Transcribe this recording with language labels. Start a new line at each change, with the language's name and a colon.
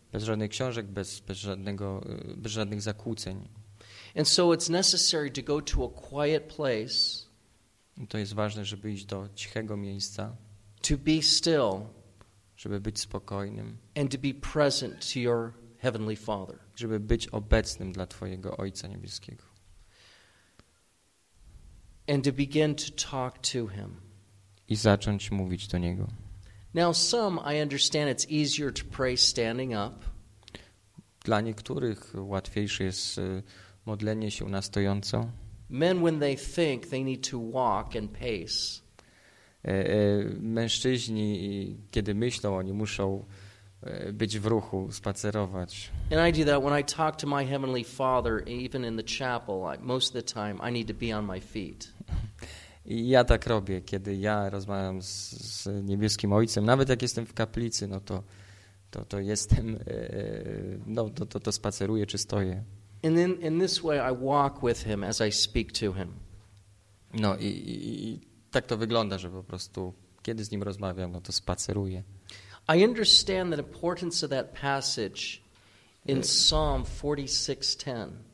Polish: Bez żadnych książek, bez żadnych zakłóceń.
English: And so it's necessary to go to a quiet place.
Polish: I to jest ważne, żeby iść do cichego miejsca.
English: To be still.
Polish: Żeby być spokojnym.
English: And to be present to your Heavenly Father.
Polish: Żeby być obecnym dla Twojego Ojca Niebieskiego.
English: And to begin to talk to Him.
Polish: I zacząć mówić do Niego.
English: Now some, I understand, it's easier to pray standing up.
Polish: Dla niektórych łatwiejsze jest modlenie się na stojąco.
English: Men, when they think, they need to walk and pace.
Polish: Mężczyźni, kiedy myślą, oni muszą być w ruchu, spacerować.
English: And I do that when I talk to my Heavenly Father, even in the chapel, most of the time I need to be on my feet.
Polish: I ja tak robię, kiedy ja rozmawiam z Niebieskim Ojcem, nawet jak jestem w kaplicy, no to jestem, no to spaceruję czy stoję.
English: And then in this way I walk with Him as I speak to Him.
Polish: No i tak to wygląda, że po prostu kiedy z Nim rozmawiam, no to spaceruję.
English: I understand the importance of that passage in Psalm 46:10.